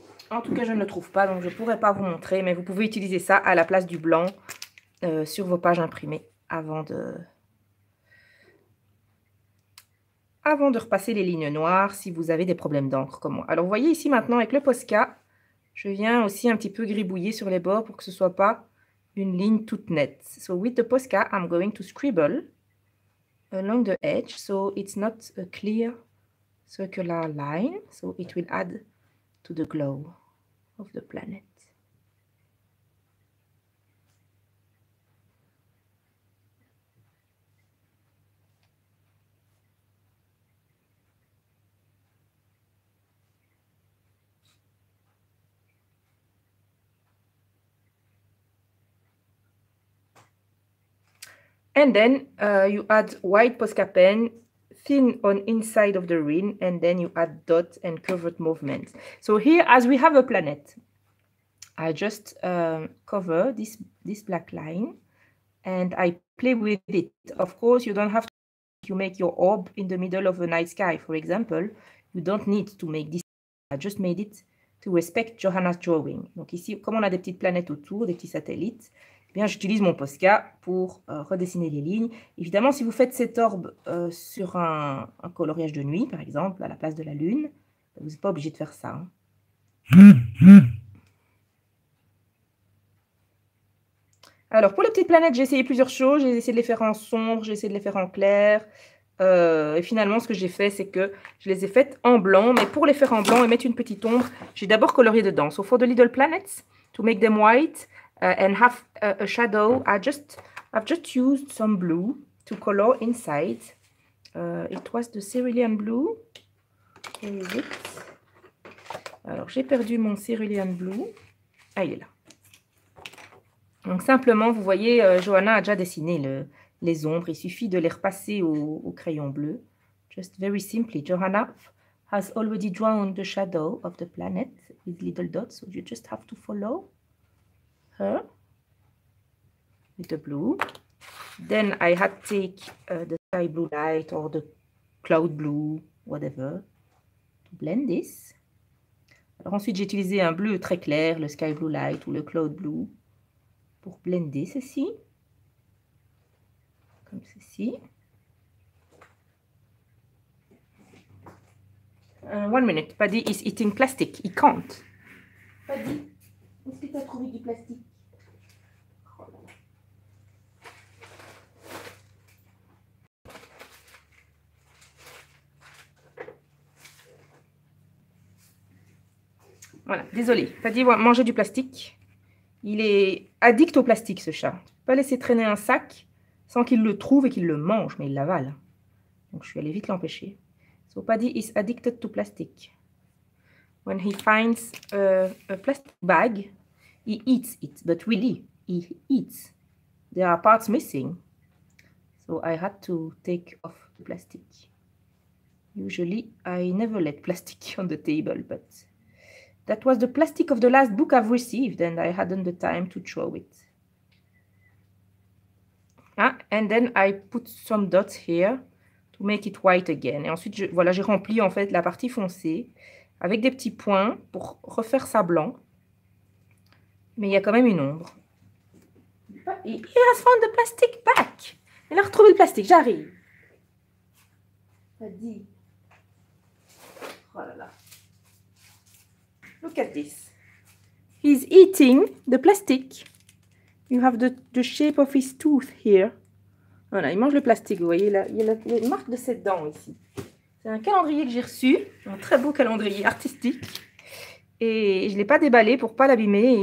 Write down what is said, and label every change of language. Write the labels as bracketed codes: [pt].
[fr] En tout cas, je ne le trouve pas, donc je ne pourrais pas vous montrer, mais vous pouvez utiliser ça à la place du blanc sur vos pages imprimées avant de repasser les lignes noires si vous avez des problèmes d'encre comme moi. Alors, vous voyez ici maintenant avec le Posca, je viens aussi un petit peu gribouiller sur les bords pour que ce ne soit pas une ligne toute nette. [en] So, with the Posca, I'm going to scribble along the edge so it's not a clear circular line, so it will add... to the glow of the planet. And then you add white Posca pen thin on inside of the ring, and then you add dot and covered movement. So here, as we have a planet, I just cover this black line, and I play with it. Of course, you don't have to make your orb in the middle of a night sky, for example. You don't need to make this. I just made it to respect Johanna's drawing. [fr] Donc ici, comme on a des petites planètes autour, des petits satellites, bien, j'utilise mon Posca pour redessiner les lignes. Évidemment, si vous faites cet orbe sur un coloriage de nuit, par exemple, à la place de la lune, ben, vous n'êtes pas obligé de faire ça. Hein. Alors, pour les petites planètes, j'ai essayé plusieurs choses. J'ai essayé de les faire en sombre, j'ai essayé de les faire en clair. Et finalement, ce que j'ai fait, c'est que je les ai faites en blanc. Mais pour les faire en blanc et mettre une petite ombre, j'ai d'abord colorié dedans. [en] So for the Little Planets, to make them white and have a shadow, I've just used some blue to color inside. It was the cerulean blue. Where is it? [fr] Alors, j'ai perdu mon cerulean blue. Ah, il est là. Donc, simplement, vous voyez, Johanna a déjà dessiné les ombres. Il suffit de les repasser au crayon bleu. [en] Just very simply, Johanna has already drawn the shadow of the planet with little dots. So, you just have to follow her with the blue. Then, I had to take the sky blue light or the cloud blue, whatever, to blend this. [fr] Alors, ensuite, j'ai utilisé un bleu très clair, le sky blue light ou le cloud blue. Pour blender ceci, comme ceci. [en] One minute, Paddy is eating plastic, he can't. [fr] Paddy, est-ce que tu as trouvé du plastique? Voilà, désolé, Paddy va manger du plastique. Il est addict au plastique, ce chat. Tu ne peux pas laisser traîner un sac sans qu'il le trouve et qu'il le mange, mais il l'avale. Donc, je suis allée vite l'empêcher. [en] So, Paddy is addicted to plastic. When he finds a plastic bag, he eats it. But really, he eats. There are parts missing. So, I had to take off the plastic. Usually, I never let plastic on the table, but... That was the plastic of the last book I've received and I hadn't the time to throw it. Ah, and then I put some dots here to make it white again. [fr] Et ensuite, voilà, j'ai rempli en fait la partie foncée avec des petits points pour refaire ça blanc. Mais il y a quand même une ombre. [en] He has found the plastic back. [fr] Il a retrouvé le plastique, j'arrive. Ça dit. Oh là là. [en] Look at this. He's eating the plastic. You have the shape of his tooth here. [fr] Voilà, il mange le plastique. Vous voyez, là, il y a la marque de ses dents ici. C'est un calendrier que j'ai reçu. Un très beau calendrier artistique. Et je ne l'ai pas déballé pour ne pas l'abîmer.